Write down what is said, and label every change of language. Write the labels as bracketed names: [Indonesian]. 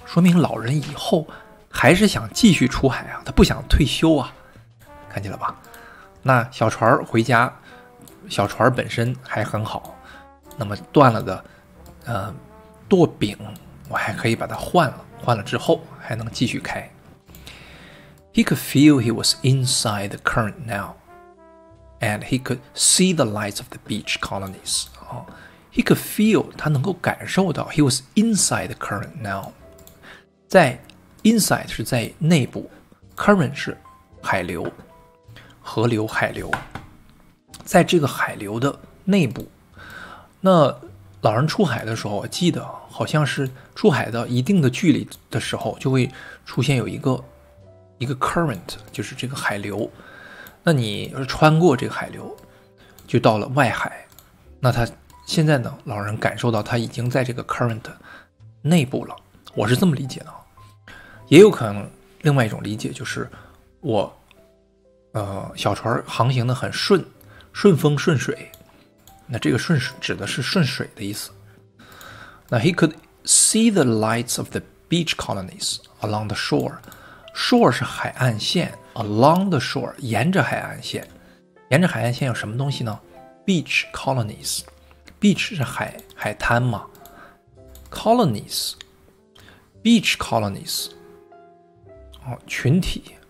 [Chinese] 说明老人以后还是想继续出海啊，他不想退休啊，看见了吧？那小船回家，小船本身还很好，那么断了的舵柄我还可以把它换了，换了之后还能继续开。 [English] He could feel he was inside the current now, and he could see the lights of the beach colonies. He could feel, [Chinese] 他能够感受到 [English] he was inside the current now. [Chinese] 在 inside 是在内部， current 是海流，河流海流，在这个海流的内部。那老人出海的时候，我记得好像是出海到一定的距离的时候，就会出现有一个 current, 就是这个海流。那你穿过这个海流就到了外海，那他现在呢，老人感受到他已经在这个 current 内部了，我是这么理解的。也有可能另外一种理解，就是我小船航行得很顺，顺风顺水，那这个顺指的是顺水的意思。 [English] 那 he could see the lights of the beach colonies along the shore. [Chinese] Shore 是海岸线， [English] along the shore [Chinese] 沿着海岸线。沿着海岸线有什么东西呢？ [English] Beach colonies. Beach [Chinese] 是海滩嘛。 [English] Colonies. Beach colonies. 群体。